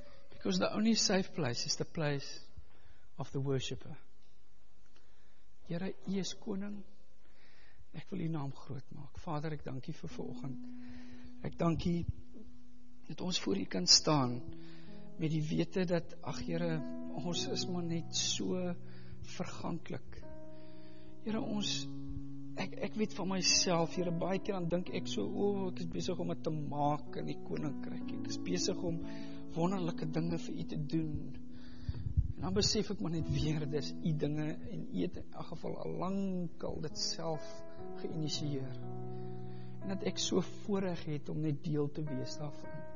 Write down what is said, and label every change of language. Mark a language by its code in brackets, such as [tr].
[en] Because the only safe place is the place of the worshipper. [af] Here, U is koning. Ek wil U naam groot maak. Vader, ek dank U vir volgend. Ek dank U dat ons voor U kan staan met die wete dat, ach Here, ons is maar net so verganklik. Here, ons Ek weet van myself, Here, baie keer dan dink ek so, ek is besig om het te maak in die koninkryk. Ek is besig om wonderlike dinge vir U te doen. En dan besef ek maar net weer, dis U dinge en U het in elk geval al lank al dit self geïnisieer. En dat ek so voorreg het om net deel te wees daarvan.